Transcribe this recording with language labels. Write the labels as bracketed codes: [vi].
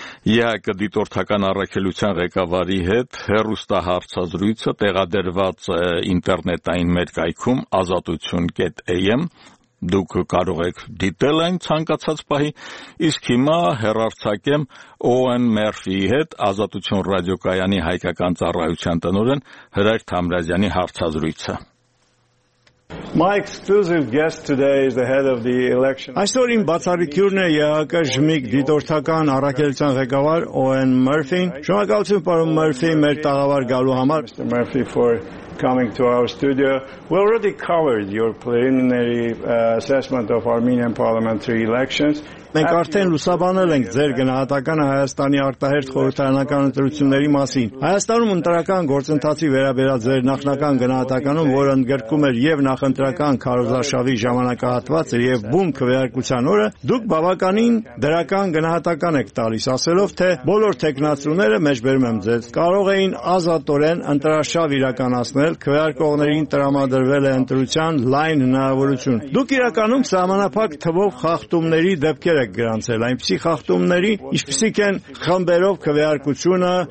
[hy] ՀՀԿ դիտորդական առաքելության ղեկավարի հետ հեռուստահարցազրույցը տեղադրված է ինտերնետային մեր կայքում ազատություն.am, դուք կարող եք դիտել այն ցանկացած պահի, իսկ հիմա հեռարձակեմ Օուեն Մերֆիի հետ Ազատություն ռադիոկայանի հայկական ծառայության տնօրեն Հրայր Թամբրազյանի հարցազրույցը։ [en] My exclusive guest today is the head of the election. [hy] Այսօր իմ բացառիկյուրն է ՀՀԿ ժմիկ դիտորդական առաքելության ղեկավար Օուեն Մերֆին։ Շնորհակալություն, պարոն Մերֆի, մեր տաղավար գալու համար։ [en] Mr. Murphy, for coming to our studio. We already covered your preliminary assessment of Armenian parliamentary elections. [hy] Մենք արդեն լուսաբանել ենք ձեր գնահատականը Հայաստանի արտահերթ խորհրդարանական ընտրությունների մասին։ Հայաստանում ընտրական գործընթացի վերաբերած ձեր նախնական գնահատականում, որը ընդգրկում էր և նախընտրական քարոզարշավի ժամանակահատվածը և բուն քվեարկության օրը, դուք բավականին դրական գնահատական եք տալիս, ասելով, թե բոլոր թեկնածուները, մեջբերում եմ ձեզ, կարող էին ազատորեն ընտրաշավ իրականացնել, քվեարկողներին տրամադրվել է ընտրության լայն հնարավորություն։ Դուք իրականում սահմանափակ թվով խախտումների դեպք կերեք գրանցել, այնպիսի խախտումների, ինչպիսիք են խմբերով քվեարկությունը,